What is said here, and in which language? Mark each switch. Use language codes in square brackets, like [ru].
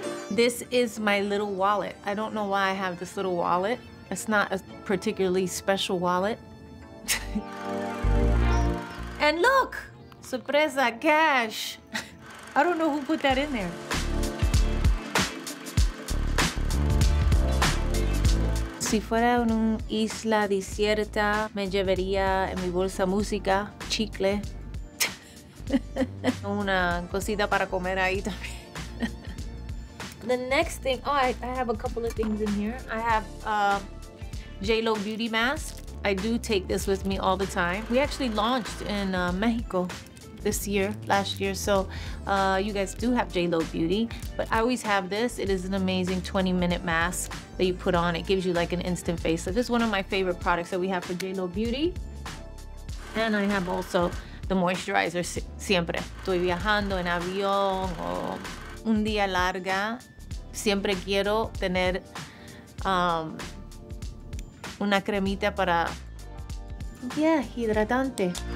[en] This is my little wallet. I don't know why I have this little wallet. It's not a particularly special wallet. And look, [es] sorpresa, [en] cash. I don't know who put that in there. [es] Si fuera en una isla desierta, me llevaría en mi bolsa música, chicle. Una cosita para comer ahí también. [en] The next thing, oh, I have a couple of things in here. I have a J.Lo beauty mask. I do take this with me all the time. We actually launched in Mexico this year, last year. So you guys do have J.Lo beauty, but I always have this. It is an amazing 20-minute mask that you put on. It gives you like an instant face. So this is one of my favorite products that we have for J.Lo beauty. And I have also the moisturizer, [es] siempre. Estoy viajando en avión o un día larga. Siempre quiero tener una cremita para, yeah, hidratante.